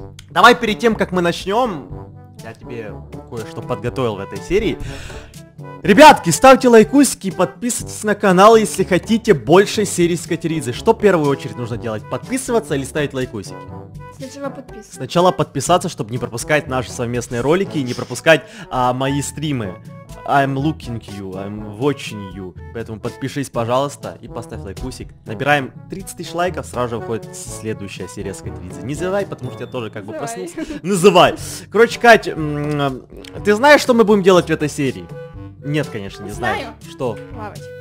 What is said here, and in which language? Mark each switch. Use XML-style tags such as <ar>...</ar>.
<ru>Давай перед тем, как мы начнем, я тебе кое-что подготовил в этой серии. Ребятки, ставьте лайкусики и подписывайтесь на канал, если хотите больше серий с Катеридзе. Что в первую очередь нужно делать, подписываться или ставить лайкусики? Сначала подписаться, чтобы не пропускать наши совместные ролики и не пропускать мои стримы.</ru> <en>I'm looking you, I'm watching you.</en> <ru>Поэтому подпишись, пожалуйста, и поставь лайкусик. Набираем 30 тысяч лайков, сразу же выходит следующая серия с Катеридзе. Не забывай, потому что я тоже как бы проснулся. Называй. Короче, Кать, ты знаешь, что мы будем делать в этой серии? Нет, конечно, не знаю. Знаю. Что? Плавать.</ru>